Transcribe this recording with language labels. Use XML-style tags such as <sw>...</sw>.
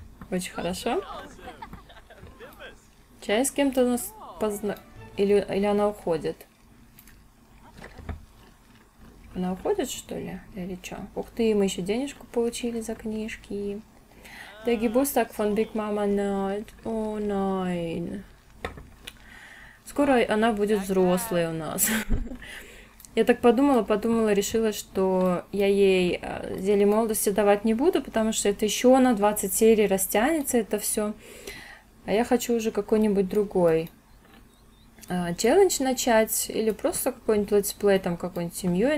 <ru>Очень хорошо. Чай с кем-то нас или она уходит? Она уходит, что ли? Или что? Ух ты, мы еще денежку получили за книжки.</ru> <de>Der Geburtstag von Big Mama Night. О, nein.</de> <ru>Скоро она будет взрослой у нас. Я так подумала, подумала, решила, что я ей зелье молодости давать не буду, потому что это еще на 20 серий растянется это все. А я хочу уже какой-нибудь другой челлендж начать или просто какой-нибудь летсплей там какой-нибудь семьей.</ru>